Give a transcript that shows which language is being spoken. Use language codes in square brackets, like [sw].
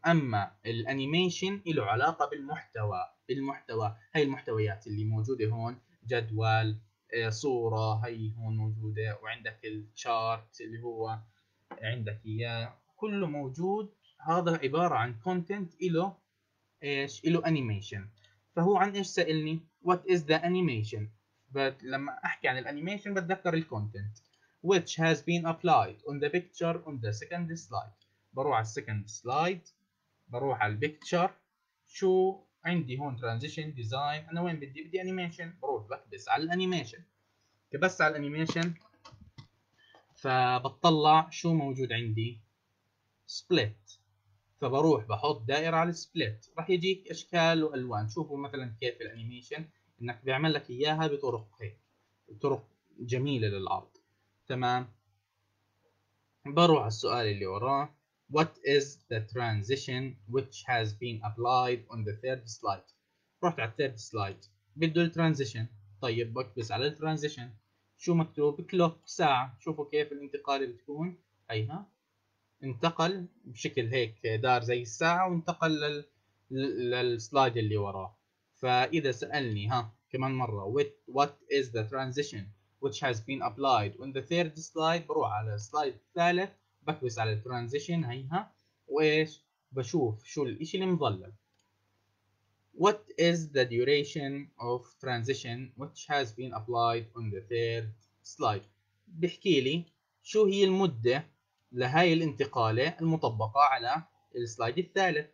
[ar] اما الانيميشن له علاقة بالمحتوى، بالمحتوى، هاي المحتويات اللي موجودة هون، جدول، صورة هاي هون موجودة، وعندك الشارت اللي هو عندك اياه، كله موجود. هذا عبارة عن content له ايش، له animation. فهو عن ايش سألني؟ [en] what is the animation. [ar] لما احكي عن الانيميشن بتذكر الكونتنت. [en] which has been applied on the picture on the second slide. [ar] بروح على second slide، بروح على البيكتشر، شو عندي هون؟ ترانزيشن ديزاين. انا وين بدي؟ بدي انيميشن. بروح بكبس على الانيميشن، كبس على الانيميشن، فبطلع شو موجود عندي، سبليت. فبروح بحط دائره على السبليت، راح يجيك اشكال والوان. شوفوا مثلا كيف الانيميشن انك بيعمل لك اياها بطرق هيك، طرق جميله للعرض. تمام، بروح على السؤال اللي وراه. [en] What is the transition which has been applied on the third slide؟ [ar] رحت على الثيرد سلايد، بده الترانزيشن. طيب بكبس على الترانزيشن، شو مكتوب؟ كلوك، ساعة. شوفوا كيف الانتقال بتكون، هيها انتقل بشكل هيك، دار زي الساعة وانتقل للسلايد اللي وراه. فإذا سألني ها كمان مرة [en] what is the transition which has been applied on the third slide، [ar] بروح على السلايد الثالث بكبس على الترانزيشن هيها، وإيش بشوف؟ شو الإشي اللي مظلل؟ [en] What is the duration of transition which has been applied on the third slide؟ [ar] بحكي لي شو هي المدة لهاي الانتقالة المطبقة على السلايد الثالث.